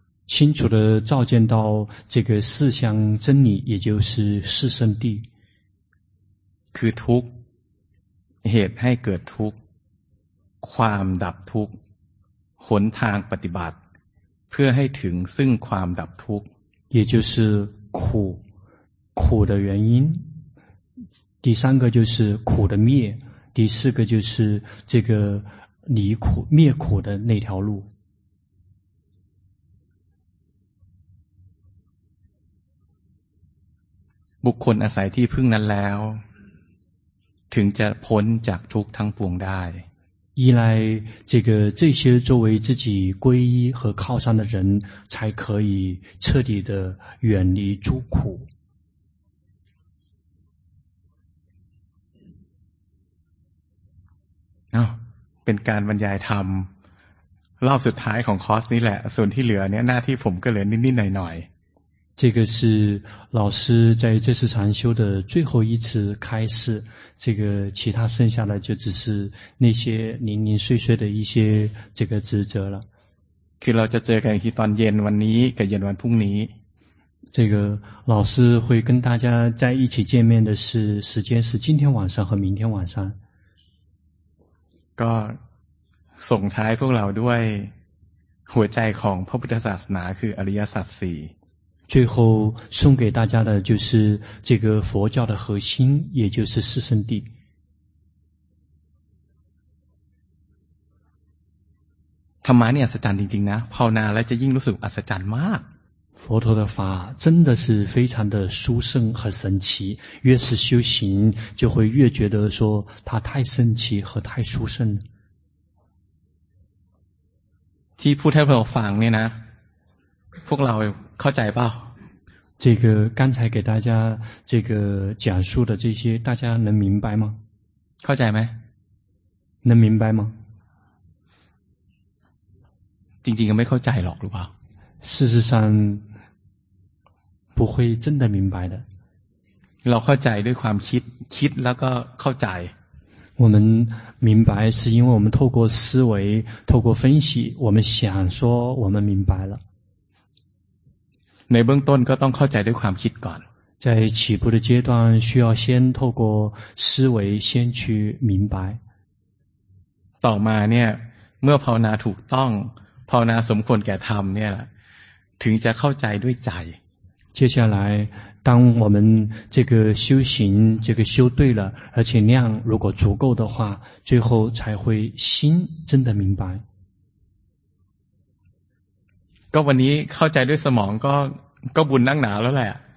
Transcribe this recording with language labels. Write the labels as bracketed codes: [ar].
[zh] 清楚的照见到这个四相真理也就是四圣谛 [th] คือทุกข์เหตุให้เกิดทุกข์ความดับทุกข์หนทางปฏิบัติเพื่อให้ถึงซึ่งความดับทุกข์ [zh] 也就是苦的原因第三个就是苦的灭第四个就是这个离苦灭苦的那条路。 [th] บุคคลอาศัยที่พึ่งนั้นแล้วถึงจะพ้นจากทุกข์ทั้งปวงได้ [zh] 依赖这个这些作为自己皈依和靠山的人才可以彻底的远离诸苦。 [th] เป็นการบรรยายธรรมรอบสุดท้ายของคอร์สนี้แหละส่วนที่เหลือเนี่ยหน้าที่ผมก็เหลือนิดๆหน่อย [zh] ๆ这个是老师在这次禅修的最后一次开示这个其他剩下的就只是那些零零碎碎的一些这个职责了 [th] คือเราจะเจอกันที่ตอนเย็นวันนี้กับเย็นวันพรุ่งนี้ [zh] 这个老师会跟大家在一起见面的是时间是今天晚上和明天晚上 [th] ก็ส่งท้ายพวกเราด้วยหัวใจของพระพุทธศาสนาคืออริยสัจ4 [zh] 最后送给大家的就是这个佛教的核心也就是四圣谛 [th] ธรรมะเนี่ยอัศจรรย์จริงๆนะภาวนาแล้วจะยิ่งรู้สึกอัศจรรย์มาก [zh] 佛陀的法真的是非常的殊胜和神奇，越是修行，就会越觉得说它太神奇和太殊胜了。 [th] ที่พูดให้เราฟังเนี่ยนะ，พวกเราเข้าใจเปล่า？ [zh] 这个刚才给大家这个讲述的这些，大家能明白吗？ [th] เข้าใจไ หม？ [zh] 能明白吗？ [th] จริงๆก็ไม่เข้าใจหรอกหรือเปล่า？ [zh] 事实上不会真的明白的 [th] เราเข้าใจด้วยความคิดคิดแล้วก็เข้าใจ [zh] 我们明白是因为我们透过思维透过分析我们想说我们明白了 [th] ในเบื้องต้นก็ต้องเข้าใจด้วยความคิดก่อน [zh] 在起步的阶段需要先透过思维先去明白 [th] ต่อมาเนี่ยเมื่อภาวนาถูกต้องภาวนาสมควรแก่ธรรมเนี่ยถึงจะเข้าใจด้วยใจ [zh] 接下来当我们这个修行这个修对了而且量如果足够的话最后才会心真的明白 [th] ก็วันนี้เข้าใจด้วยสมองก็บุญนั่งหนาแล้วแหละ